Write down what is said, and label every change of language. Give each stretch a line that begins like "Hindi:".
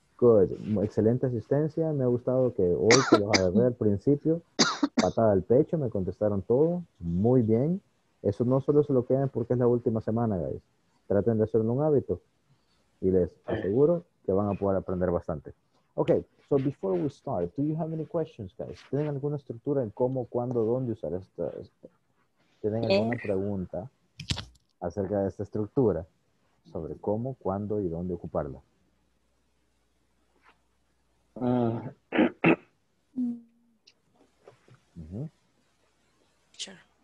English: Good.
Spanish: Excelente asistencia. Me ha gustado que hoy, que los agarré al principio, patada al pecho, me contestaron todo. Muy bien. Eso no solo se lo quedan porque es la última semana, guys. Traten de hacerlo un hábito. Y les aseguro que van a poder aprender bastante. Okay.
English: So before we start, do you have any questions, guys?
Spanish: ¿Tienen alguna estructura en cómo, cuándo, dónde usar esto? ¿Tienen alguna pregunta acerca de esta estructura? ¿Sobre cómo, cuándo y dónde ocuparla?
English: Sure.